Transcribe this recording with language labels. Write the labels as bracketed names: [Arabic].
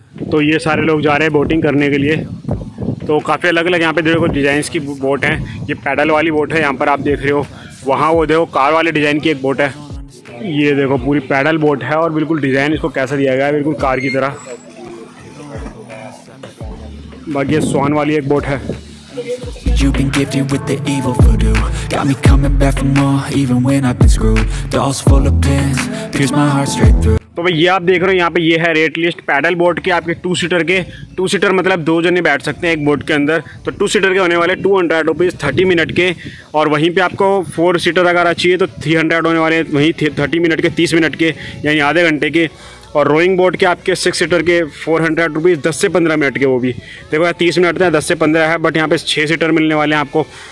[Hindi] तो ये सारे लोग जा रहे हैं बोटिंग करने के लिए, तो काफ़ी अलग अलग यहाँ पे देखो डिजाइन की बोट हैं। ये पैडल वाली बोट है यहाँ पर आप देख रहे हो, वहाँ वो देखो कार वाले डिज़ाइन की एक बोट है, ये देखो पूरी पैडल बोट है और बिल्कुल डिज़ाइन इसको कैसा दिया गया है, बिल्कुल कार की तरह। बाकी ये स्वान वाली एक बोट है। [English] You've been gifted with the evil voodoo. Got me coming back for more, even when I've been screwed. Dolls full of pins, pierce my heart straight through. [Hindi] तो भाई ये आप देख रहे हो यहाँ पे, ये है रेट लिस्ट पैडल बोट के, आपके टू सीटर के, टू सीटर मतलब दो जने बैठ सकते हैं एक बोट के अंदर, तो टू सीटर के होने वाले 200 रुपीज़ 30 मिनट के, और वहीं पे आपको फोर सीटर अगर चाहिए तो 300 होने वाले वहीं 30 मिनट के 30 मिनट के यानी आधे घंटे के, और रोइंग बोट के आपके 6 सीटर के 400 रुपीज़ 10 से 15 मिनट के, वो भी देखो 30 मिनट है 10 से 15 है, बट यहाँ पे 6 सीटर मिलने वाले हैं आपको।